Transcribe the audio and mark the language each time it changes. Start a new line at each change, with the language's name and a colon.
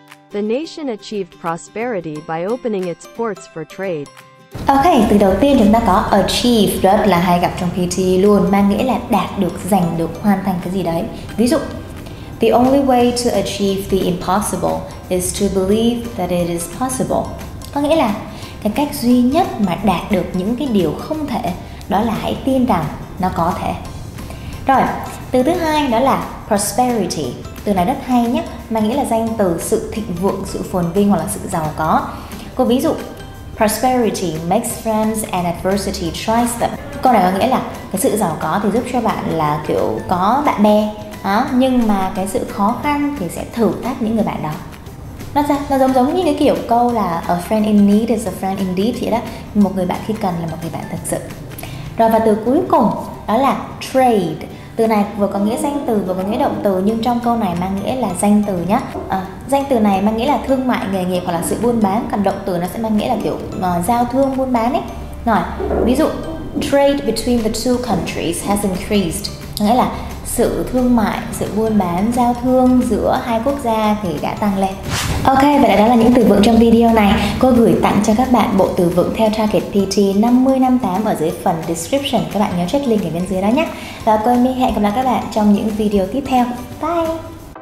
English: The nation achieved prosperity by opening its ports for trade.
Vietnamese: Ok, từ đầu tiên chúng ta có achieve, rất là hay gặp trong PT luôn, mang nghĩa là đạt được, giành được, hoàn thành cái gì đấy. Ví dụ,
English: the only way to achieve the impossible is to believe that it is possible.
Vietnamese: Có nghĩa là cái cách duy nhất mà đạt được những cái điều không thể đó là hãy tin rằng nó có thể. Rồi, từ thứ hai đó là prosperity. Từ này rất hay nhé, mang nghĩa là danh từ sự thịnh vượng, sự phồn vinh hoặc là sự giàu có. Có ví dụ,
English: prosperity makes friends and adversity tries them.
Vietnamese: Câu này có nghĩa là cái sự giàu có thì giúp cho bạn là kiểu có bạn bè đó, nhưng mà cái sự khó khăn thì sẽ thử thách những người bạn đó. Nó giống giống như cái kiểu câu là
English: a friend in need is a friend indeed
Vietnamese: vậy đó. Một người bạn khi cần là một người bạn thật sự. Rồi và từ cuối cùng đó là trade. Từ này vừa có nghĩa danh từ vừa có nghĩa động từ, nhưng trong câu này mang nghĩa là danh từ nhé. Danh từ này mang nghĩa là thương mại, nghề nghiệp hoặc là sự buôn bán. Còn động từ nó sẽ mang nghĩa là kiểu giao thương, buôn bán ấy. Rồi, ví dụ
English: trade between the two countries has increased.
Vietnamese: Nghĩa là sự thương mại, sự buôn bán, giao thương giữa hai quốc gia thì đã tăng lên. Ok, vậy là đó là những từ vựng trong video này. Cô gửi tặng cho các bạn bộ từ vựng theo Target PT 5058 ở dưới phần description. Các bạn nhớ check link ở bên dưới đó nhé. Và cô Amy hẹn gặp lại các bạn trong những video tiếp theo. Bye!